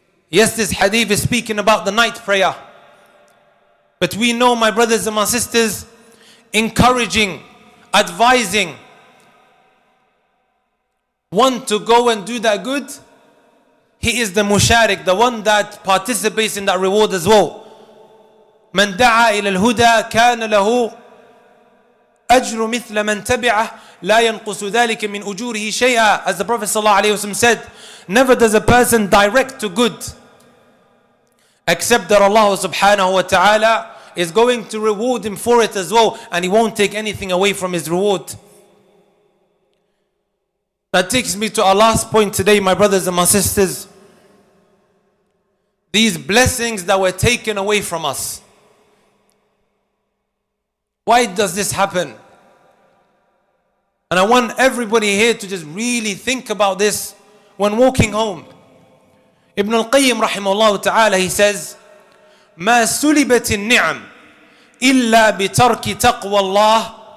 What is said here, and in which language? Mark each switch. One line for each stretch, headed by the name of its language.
English: Yes, this hadith is speaking about the night prayer. But we know, my brothers and my sisters, encouraging, advising one to go and do that good, he is the musharik, the one that participates in that reward as well.
Arabic: من دعا إلى الهدى كان له أجر مثل من تبعه لا ينقص ذلك من أجوره شيئا.
English: As the Prophet sallallahu alayhi wa sallam said, never does a person direct to good except that Allah subhanahu wa ta'ala is going to reward him for it as well, and he won't take anything away from his reward. That takes me to our last point today, my brothers and my sisters. These blessings that were taken away from us, why does this happen? And I want everybody here to just really think about this when walking home. Ibn al-Qayyim rahimahullah ta'ala, he says,
Arabic: ما سلبت النعم إلا بترك تقوى الله